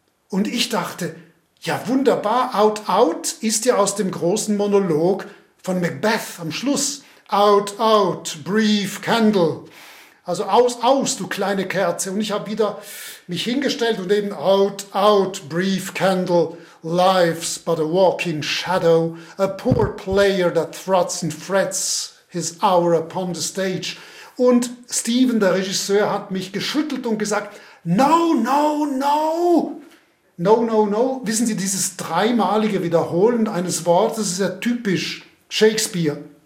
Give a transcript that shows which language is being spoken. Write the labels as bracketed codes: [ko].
[de] Und ich dachte, ja wunderbar, out, out ist ja aus dem großen Monolog von Macbeth am Schluss. [en] Out, out, brief candle. [de] Also aus, aus, du kleine Kerze. Und ich habe wieder mich hingestellt und eben [en] out, out, brief candle. Life's but a walking shadow. A poor player that struts and frets his hour upon the stage. [de] Und Steven, der Regisseur, hat mich geschüttelt und gesagt, [en] no, no, no. No, no, no. [de] Wissen Sie, dieses dreimalige Wiederholen eines Wortes ist ja typisch Shakespeare.